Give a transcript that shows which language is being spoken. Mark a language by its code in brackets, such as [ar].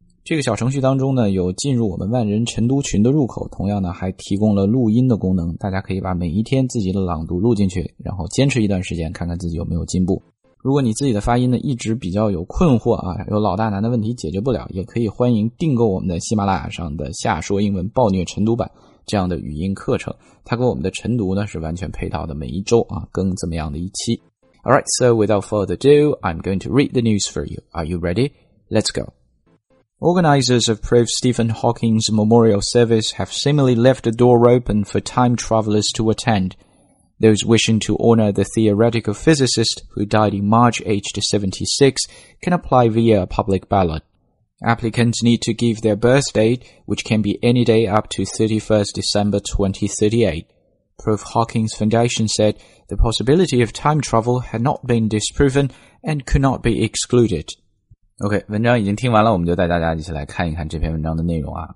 [zh] 这个小程序当中呢，有进入我们万人晨读群的入口，同样呢还提供了录音的功能，大家可以把每一天自己的朗读录进去，然后坚持一段时间，看看自己有没有进步。如果你自己的发音呢一直比较有困惑啊，有老大难的问题解决不了，也可以欢迎订购我们的喜马拉雅上的下说英文暴虐晨读版这样的语音课程，它跟我们的晨读呢是完全配套的，每一周啊更怎么样的一期。 [en] Alright, so without further ado, I'm going to read the news for you. Are you ready? Let's go. Organizers of Prof. Stephen Hawking's memorial service have seemingly left the door open for time travelers to attendThose wishing to honor the theoretical physicist who died in March aged 76 can apply via a public ballot. Applicants need to give their birth date, which can be any day up to 31st December 2038. Prof. Hawking's foundation said the possibility of time travel had not been disproven and could not be excluded. [zh] OK, 文章已经听完了，我们就带大家一起来看一看这篇文章的内容啊。